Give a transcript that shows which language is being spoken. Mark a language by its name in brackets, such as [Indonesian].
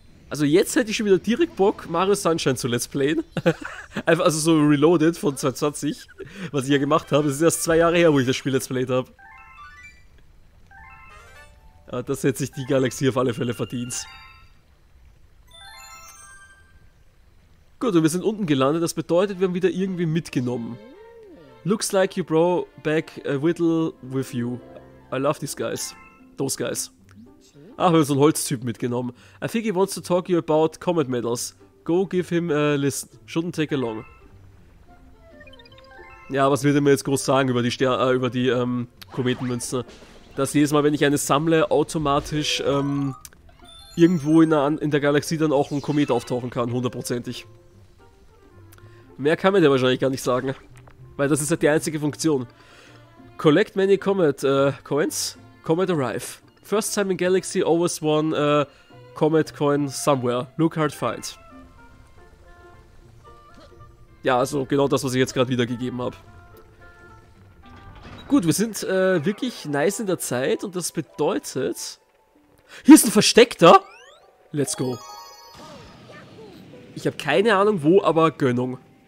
[German] Also jetzt hätte ich schon wieder direkt Bock, Mario Sunshine zu Let's Playen. Einfach also so Reloaded von 2020, was ich ja gemacht habe. Es ist erst 2 Jahre her, wo ich das Spiel Let's Played habe. Ja, das hätte sich die Galaxie auf alle Fälle verdient. Gut, und wir sind unten gelandet. Das bedeutet, wir haben wieder irgendwie mitgenommen. [English] Looks like you brought back a whittle with you. I love these guys. Those guys. [German] Ach, wir haben so einen Holztyp mitgenommen. [English] I think he wants to talk to you about Comet Metals. Go give him a listen. Shouldn't take a long. [German] Ja, was wird er mir jetzt groß sagen über die Kometenmünzen? Dass jedes Mal, wenn ich eine sammle, automatisch irgendwo in der Galaxie dann auch ein Komet auftauchen kann, hundertprozentig. Mehr kann man dir wahrscheinlich gar nicht sagen, weil das ist halt die einzige Funktion. [English] Collect many Comet Coins, Comet Arrive. First time in Galaxy, always one Comet Coin somewhere. Look hard, find. [German] Ja, also genau das, was ich jetzt gerade wiedergegeben habe. Gut, wir sind wirklich nice in der Zeit und das bedeutet... Hier ist ein Versteckter! [English] Let's go. [German] Ich habe keine Ahnung wo, aber Gönnung.